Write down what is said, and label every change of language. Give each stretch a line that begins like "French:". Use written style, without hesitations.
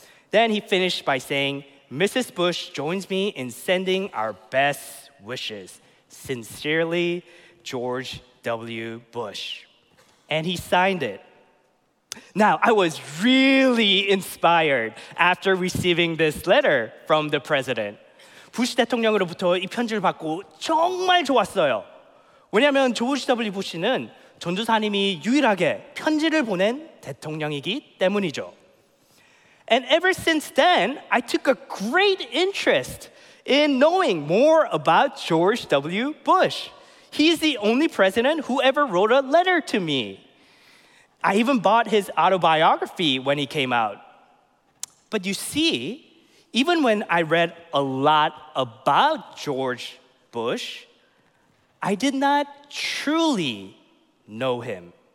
English: Then he finished by saying, Mrs. Bush joins me in sending our best wishes. Sincerely, George W. Bush. And he signed it. Now, I was really inspired after receiving this letter from the president.
Korean: 부시 대통령으로부터 이 편지를 받고 정말 좋았어요. 왜냐하면 조지 W. 부시는 전두사님이 유일하게 편지를 보낸 대통령이기 때문이죠.
English: And ever since then, I took a great interest in knowing more about George W. Bush. He's the only president who ever wrote a letter to me. I even bought his autobiography when he came out. But you see, even when I read a lot about George Bush, I did not truly know him.